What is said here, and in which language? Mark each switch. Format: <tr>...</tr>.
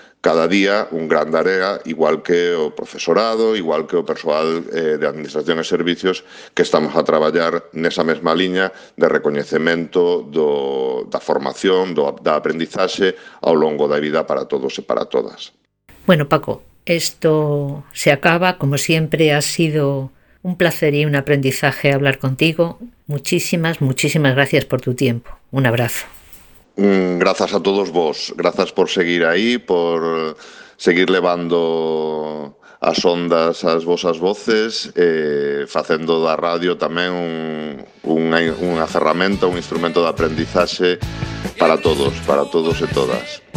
<gl>cada día un gran tarea, igual que o profesorado, igual que o persoal de administración e servicios, que estamos a traballar nesa mesma liña de recoñecemento da formación, da aprendizaxe ao longo da vida para todos e para todas.</gl> <es>Bueno, Paco, esto se acaba. Como siempre, ha sido un placer y un aprendizaje hablar contigo. Muchísimas, muchísimas gracias por tu tiempo. Un abrazo.</es> <gl>Grazas a todos vos, grazas por seguir aí, por seguir levando as ondas as vosas voces, facendo da radio tamén unha ferramenta, un instrumento de aprendizaxe para todos e todas.</gl>